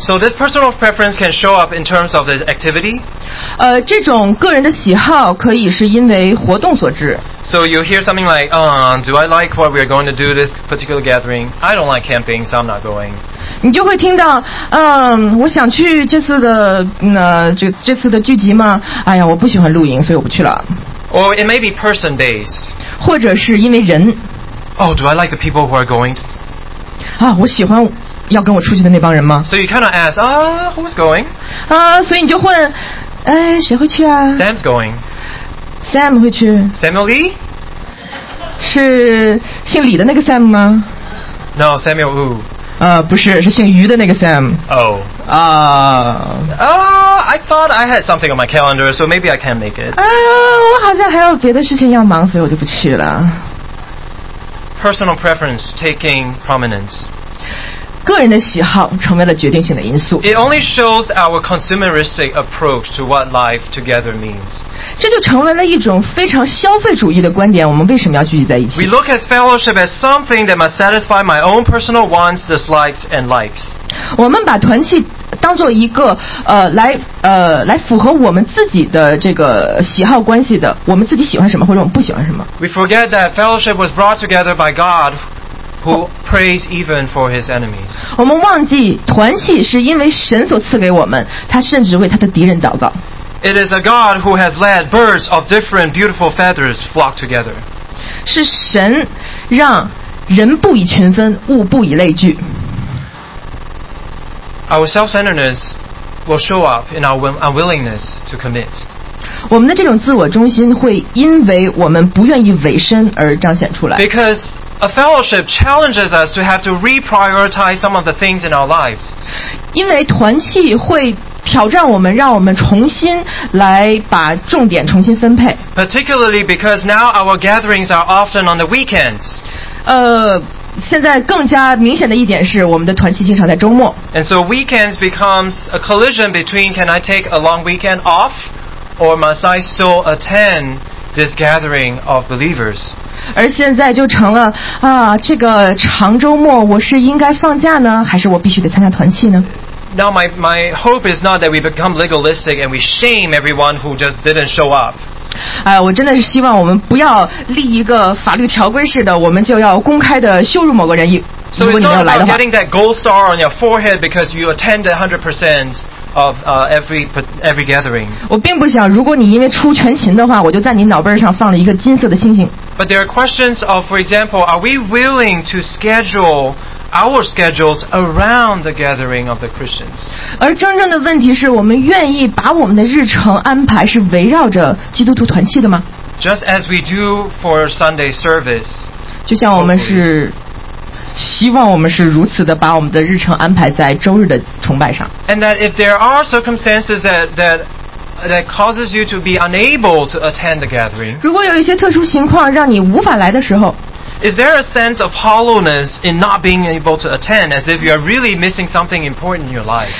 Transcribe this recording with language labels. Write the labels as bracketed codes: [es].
[en] So this personal preference can show up in terms of the activity. [zh] 这种个人的喜好可以是因为活动所致。 [en] So you hear something like, do I like what we are going to do this particular gathering? I don't like camping, so I'm not going. [zh] 你就会听到，我想去这次的这次的聚集吗？哎呀，我不喜欢露营，所以我不去了。 [en] Or it may be person based. [zh] 或者是因为人。 [en] Oh, do I like the people who are going? [zh] 我喜欢要跟我出去的那帮人吗？ [en] So you kind of ask, who's going? [zh] 所以你就问，谁会去啊？ [en] Sam's going. [zh] Sam 会去。 [en] Sam Lee? [zh] 是姓李的那个 Sam 吗？ [en] No, Samuel Wu。 [zh] 不是，是姓于的那个 Sam。 [en] I thought I had something on my calendar, so maybe I can make it. [zh] 我好像还有别的事情要忙，所以我就不去了。 [en] Personal preference taking prominence. [zh] 个人的喜好成为了决定性的因素。 [en] It only shows our consumeristic approach to what life together means. [zh] 这就成为了一种非常消费主义的观点，我们为什么要聚集在一起？ [en] We look at fellowship as something that must satisfy my own personal wants, dislikes, and likes. [zh] 我们把团契当作一个来符合我们自己的这个喜好关系的，我们自己喜欢什么或者我们不喜欢什么。 [en] We forget that fellowship was brought together by God, who prays even for his enemies. [zh] 我们忘记团契是因为神所赐给我们，他甚至为他的敌人祷告。 [en] It is a God who has led birds of different beautiful feathers flock together. [zh] 是神让人不以群分，物不以类聚。 [en] Our self-centeredness will show up in our unwillingness to commit. [zh] 我们的这种自我中心会因为我们不愿意委身而彰显出来。 [en] Because a fellowship challenges us to have to reprioritize some of the things in our lives. [zh] 因为团契会挑战我们，让我们重新来把重点重新分配。 [en] Particularly because now our gatherings are often on the weekends. [zh] 现在更加明显的一点是，我们的团契经常在周末。 [en] And so weekends becomes a collision between can I take a long weekend off, or must I still attend this gathering of believers? [zh] 而现在就成了啊，这个长周末我是应该放假呢，还是我必须得参加团契呢？ [en] Now my hope is not that we become legalistic and we shame everyone who just didn't show up. [zh] 我真的是希望我们不要立一个法律条规似的，我们就要公开的羞辱某个人。如果你没有来的话。 [en] So it's not about getting that gold star on your forehead because you attend 100% of every gathering. [zh] 我并不想，如果你因为出全勤的话，我就在你脑背上放了一个金色的星星。 [en] But there are questions of, for example, are we willing to schedule our schedules around the gathering of the Christians? [zh] 而真正的问题是我们愿意把我们的日程安排是围绕着基督徒团契的吗？ [en] Just as we do for Sunday service. [zh] 就像我们是希望我们是如此的把我们的日程安排在周日的崇拜上。 [en] And that if there are circumstances that causes you to be unable to attend the gathering. [zh] 如果有一些特殊情况让你无法来的时候， [en] Is there a sense of hollowness in not being able to attend as if you are really missing something important in your life?